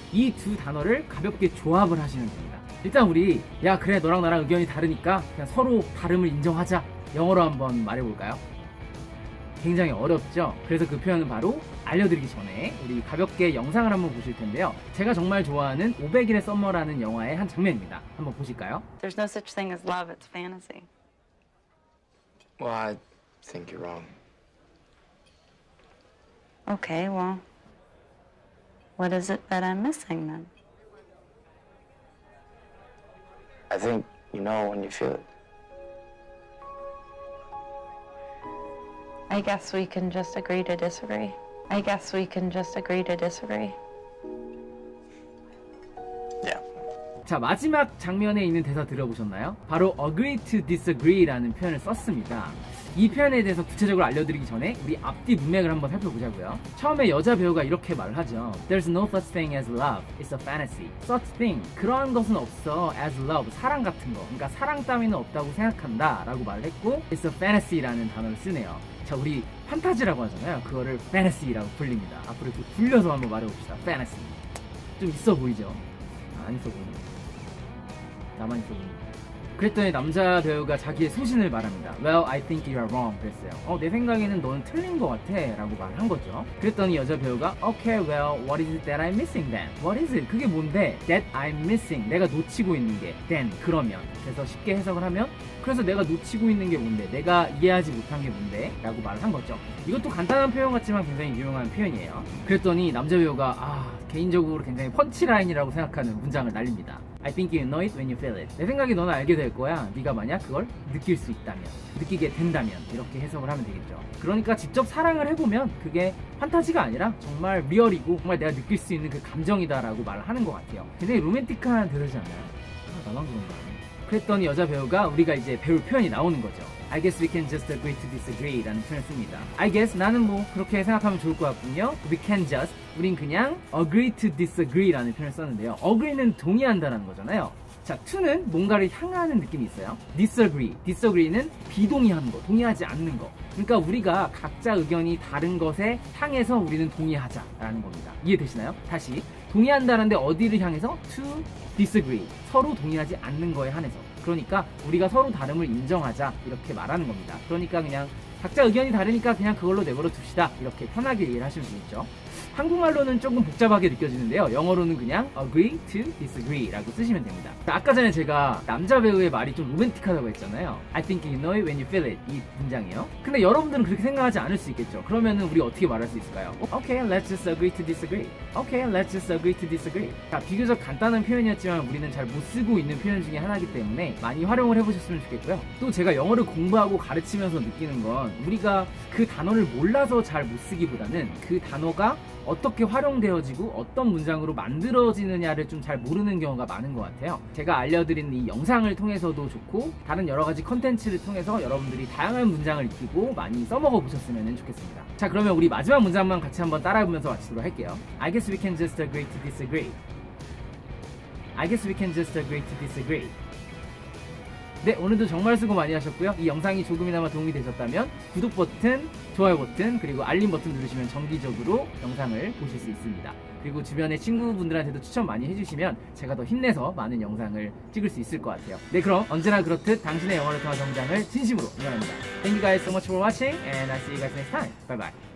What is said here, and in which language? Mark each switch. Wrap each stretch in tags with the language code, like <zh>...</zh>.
<ko>이 두 단어를 가볍게 조합을 하시면 됩니다. 일단 우리 야 그래 너랑 나랑 의견이 다르니까 그냥 서로 다름을 인정하자. 영어로 한번 말해볼까요? 굉장히 어렵죠? 그래서 그 표현은 바로 알려드리기 전에 우리 가볍게 영상을 한번 보실 텐데요. 제가 정말 좋아하는 500일의 썸머라는 영화의 한 장면입니다. 한번 보실까요?</ko> <en>There's no such thing as love. It's fantasy. Well, I think you're wrong. Okay, well. What is it that I'm missing then? I think you know when you feel it. I guess we can just agree to disagree. I guess we can just agree to disagree.</en> <ko>자, 마지막 장면에 있는 대사 들어보셨나요? 바로 agree to disagree라는 표현을 썼습니다. 이 표현에 대해서 구체적으로 알려드리기 전에 우리 앞뒤 문맥을 한번 살펴보자고요. 처음에 여자 배우가 이렇게 말을 하죠.</ko> <en>There's no such thing as love. It's a fantasy. Such thing.</en> <ko>그러한 것은 없어.</ko> <en>As love.</en> <ko>사랑 같은 거. 그러니까 사랑 따위는 없다고 생각한다. 라고 말을 했고 It's a fantasy라는 단어를 쓰네요. 자, 우리 판타지라고 하잖아요. 그거를 fantasy라고 불립니다. 앞으로 이렇게 굴려서 한번 말해봅시다. Fantasy. 좀 있어 보이죠? 안 있어 보이네. 나만 있어 보이네. 그랬더니 남자 배우가 자기의 소신을 말합니다.</ko> <en>Well, I think you are wrong.</en> <ko>그랬어요. 내 생각에는 너는 틀린 것 같아. 라고 말한 거죠. 그랬더니 여자 배우가</ko> <en>Okay, well, what is it that I'm missing then? What is it?</en> <ko>그게 뭔데?</ko> <en>That I'm missing.</en> <ko>내가 놓치고 있는 게. Then, 그러면. 그래서 쉽게 해석을 하면 그래서 내가 놓치고 있는 게 뭔데? 내가 이해하지 못한 게 뭔데? 라고 말을 한 거죠. 이것도 간단한 표현 같지만 굉장히 유용한 표현이에요. 그랬더니 남자 배우가 개인적으로 굉장히 펀치라인이라고 생각하는 문장을 날립니다.</ko> <en>I think you know it when you feel it.</en> <ko>내 생각에 너는 알게 될 거야. 네가 만약 그걸 느낄 수 있다면, 느끼게 된다면 이렇게 해석을 하면 되겠죠. 그러니까 직접 사랑을 해보면 그게 판타지가 아니라 정말 리얼이고 정말 내가 느낄 수 있는 그 감정이다라고 말을 하는 것 같아요. 굉장히 로맨틱한 대사지 않나요? 나만 그런가? 그랬더니 여자 배우가 우리가 이제 배울 표현이 나오는 거죠.</ko> <en>I guess we can just agree to disagree</en> <ko>라는 표현을 씁니다.</ko> <en>I guess</en> <ko>나는 뭐 그렇게 생각하면 좋을 것 같군요.</ko> <en>We can just</en> <ko>우린 그냥</ko> <en>agree to disagree</en> <ko>라는 표현을 썼는데요. agree는 동의한다라는 거잖아요. 자, to는 뭔가를 향하는 느낌이 있어요. disagree는 비동의하는 거, 동의하지 않는 거. 그러니까 우리가 각자 의견이 다른 것에 향해서 우리는 동의하자 라는 겁니다. 이해되시나요? 다시 동의한다는데 어디를 향해서? to disagree 서로 동의하지 않는 거에 한해서. 그러니까 우리가 서로 다름을 인정하자 이렇게 말하는 겁니다. 그러니까 그냥 각자 의견이 다르니까 그냥 그걸로 내버려 둡시다 이렇게 편하게 이해를 하시면 되겠죠. 한국말로는 조금 복잡하게 느껴지는데요. 영어로는 그냥 agree to disagree 라고 쓰시면 됩니다. 아까 전에 제가 남자 배우의 말이 좀 로맨틱하다고 했잖아요.</ko> <en>I think you know it when you feel it</en> <ko>이 문장이요. 근데 여러분들은 그렇게 생각하지 않을 수 있겠죠. 그러면은 우리 어떻게 말할 수 있을까요?</ko> <en>Okay, let's just agree to disagree. Okay, let's just agree to disagree.</en> <ko>자, 비교적 간단한 표현이었지만 우리는 잘 못 쓰고 있는 표현 중에 하나이기 때문에 많이 활용을 해보셨으면 좋겠고요. 또 제가 영어를 공부하고 가르치면서 느끼는 건 우리가 그 단어를 몰라서 잘 못 쓰기보다는 그 단어가 어떻게 활용되어지고 어떤 문장으로 만들어지느냐를 좀 잘 모르는 경우가 많은 것 같아요. 제가 알려드린 이 영상을 통해서도 좋고 다른 여러 가지 컨텐츠를 통해서 여러분들이 다양한 문장을 익히고 많이 써먹어 보셨으면 좋겠습니다. 자, 그러면 우리 마지막 문장만 같이 한번 따라해보면서 마치도록 할게요.</ko> <en>I guess we can just agree to disagree. I guess we can just agree to disagree.</en> <ko>네, 오늘도 정말 수고 많이 하셨고요. 이 영상이 조금이나마 도움이 되셨다면 구독 버튼, 좋아요 버튼, 그리고 알림 버튼 누르시면 정기적으로 영상을 보실 수 있습니다. 그리고 주변의 친구분들한테도 추천 많이 해주시면 제가 더 힘내서 많은 영상을 찍을 수 있을 것 같아요. 네, 그럼 언제나 그렇듯 당신의 영어를 통한 성장을 진심으로 응원합니다.</ko> <en>Thank you guys so much for watching and I'll see you guys next time. Bye bye.</en>